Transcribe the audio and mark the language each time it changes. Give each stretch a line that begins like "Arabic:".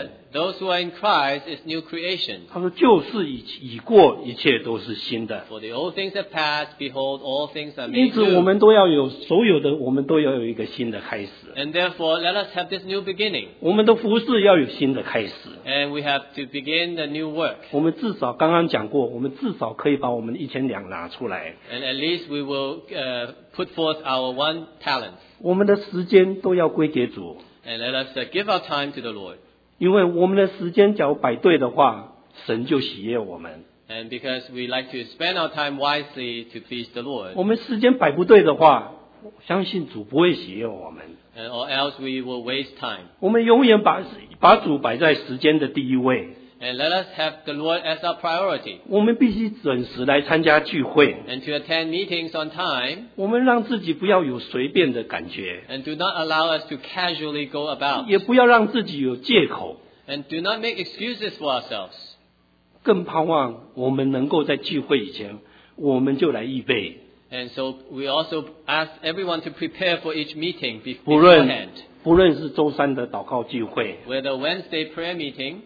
English: those who are in Christ is new creation.
Chinese: 他说就是已过一切都是新的。
English: For the old things have passed, behold, all things are made new.
Chinese: 因此我们都要有所有的我们都要有一个新的开始。
English: And therefore, let us have this new beginning.
Chinese: 我们的服事要有新的开始。
English: And we have to begin the new work.
Chinese: 我们至少刚刚讲过, 我们至少可以把我们的一千两拿出来。
English: And at least we will put forth our one talent.
Chinese: 我们的时间都要归给主。
English: And let us give our time to the Lord.
Chinese: 因为我们的时间只要摆对的话, 神就喜悦我们。
English: And because we like to spend our time wisely to please the Lord.
Chinese: 我们时间摆不对的话, 相信主不会喜悦我们。
English: And or else we will waste time.
Chinese: 我们永远把主摆在时间的第一位。
English: And let us have the Lord as our priority.
Chinese: 我们必须准时来参加聚会。
English: And to attend meetings on time.
Chinese: 我们让自己不要有随便的感觉。
English: And do not allow us to casually go about.
Chinese: 也不要让自己有借口。
English: And do not make excuses for ourselves.
Chinese: 更盼望我们能够在聚会以前, 我们就来预备。
English: And so we also ask everyone to prepare for each meeting beforehand.
Chinese: 不论是周三的祷告聚会,
English: whether Wednesday prayer meeting,